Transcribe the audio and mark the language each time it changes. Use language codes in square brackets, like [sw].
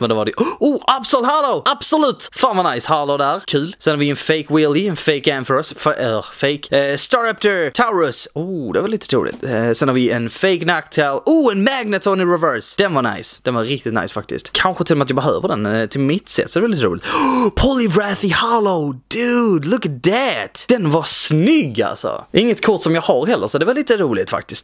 [sv] Men det var det. Absolut Hollow. Absolut. Fan vad nice. Hollow där. Kul. Sen har vi en fake Wheelie. En fake Ampharos. Fake. Staraptor. Taurus. Det var lite troligt. Sen har vi en fake Noctowl. En Magneton i reverse. Den var nice. Den var riktigt nice. Faktiskt. Kanske till och med att jag behöver den till mitt sätt. Så det är väldigt roligt. [en] Poliwrathy Hollow, dude, look at that. [sv] Den var snygg alltså. Inget kort som jag har heller, så det var lite roligt faktiskt.